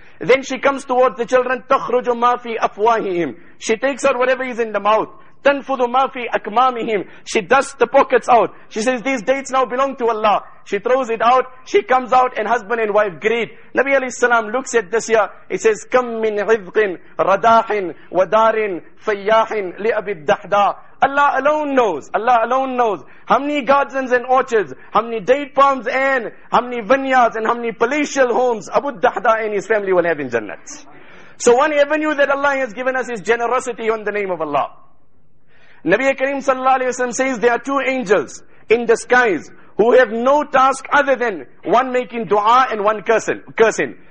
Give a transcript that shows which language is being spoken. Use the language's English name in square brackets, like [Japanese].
[English] Then she comes towards the children. [Arabic] تَخْرُجُ مَا فِي أَفْوَاهِهِمْ. [English] She takes out whatever is in the mouth. [Arabic] تَنْفُذُ مَا فِي أَكْمَامِهِمْ. [English] She dusts the pockets out. She says, these dates now belong to Allah. She throws it out. She comes out and husband and wife greet. Nabi alayhi salam looks at this year. He says, [Arabic] كَمْ مِنْ عِذْقٍ رَدَاحٍ وَدَارٍ فَيَّاحٍ لِأَبِي الدَّحْدَى. [English] Allah alone knows. Allah alone knows how many gardens and orchards, how many date palms and how many vineyards and how many palatial homes Abu Dahda and his family will have in Jannat. So one avenue that Allah has given us is generosity on the name of Allah. Nabi Kareem sallallahu alayhi wa sallam says there are two angels in disguise who have no task other than one making dua and one cursing.